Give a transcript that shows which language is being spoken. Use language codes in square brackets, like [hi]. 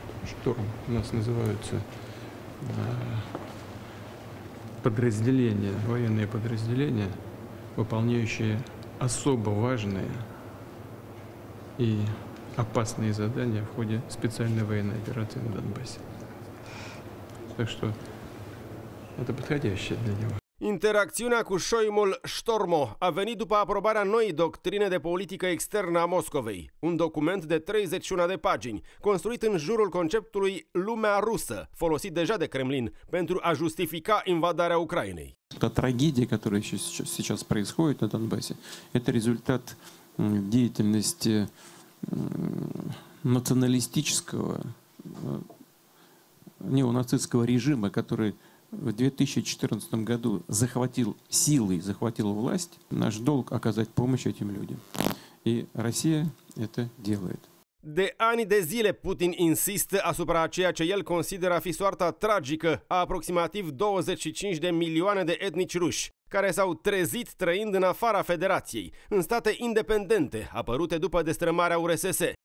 [ru] Шторм у нас называются подразделения, военные подразделения, выполняющие особо важные и опасные задания в ходе специальной военной операции на Донбассе. Так что это подходящее для него. [ro] Interacțiunea cu șoimul Ștormo a venit după aprobarea noii doctrine de politică externă a Moscovei, un document de 31 de pagini, construit în jurul conceptului lumea rusă, folosit deja de Kremlin pentru a justifica invadarea Ucrainei. [ru] Та трагедия, которая сейчас происходит на Донбассе, это результат деятельности националистического неонацистского режима, который в 2014 году захватил силой, захватил власть. Наш долг оказать помощь этим людям. И Россия это делает. [ro] De ani de zile Putin insistă asupra ceea ce el consideră a fi soarta tragică a aproximativ 25 de milioane de etnici ruși, care s-au trezit trăind în afara Federației, în state independente, apărute după destrămarea URSS.